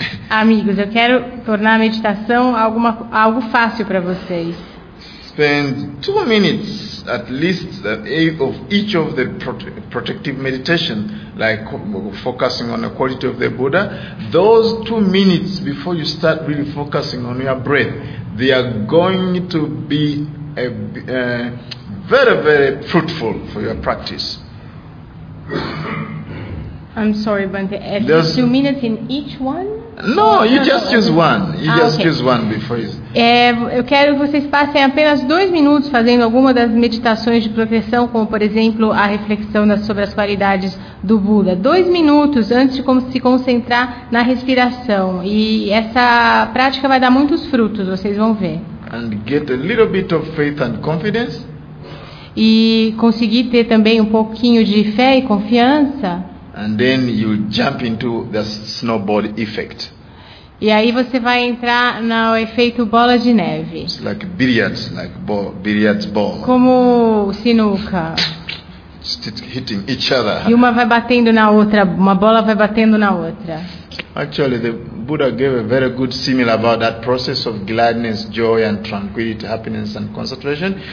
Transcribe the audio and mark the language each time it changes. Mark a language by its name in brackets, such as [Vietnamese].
[Portuguese] Amigos, eu quero tornar a meditação algo fácil para vocês. [English] Spend 2 minutes at least of each of the protective meditation, like focusing on the quality of the Buddha, those 2 minutes before you start really focusing on your breath, they are going to be very, very fruitful for your practice. I'm sorry, Bhante, at least 2 minutes in each one? No, you just use one. You just use one before you... [Portuguese] Eu quero que vocês passem apenas 2 minutos fazendo alguma das meditações de proteção, como, por exemplo, a reflexão sobre as qualidades do Buda. 2 minutos antes de se concentrar na respiração. E essa prática vai dar muitos frutos, vocês vão ver. [English] And get a little bit of faith and confidence. [Portuguese] E conseguir ter também um pouquinho de fé e confiança. [English] And then you jump into the snowball effect. [Portuguese] E aí você vai entrar no efeito bola de neve. [English] It's like billiards, like billiards ball. [Portuguese] Como sinuca. [English] Just hitting each other. [Portuguese] E uma vai batendo na outra, uma bola vai batendo na outra. [English] Actually, the Buddha gave a very good simile about that process of gladness, joy and tranquility, happiness and concentration.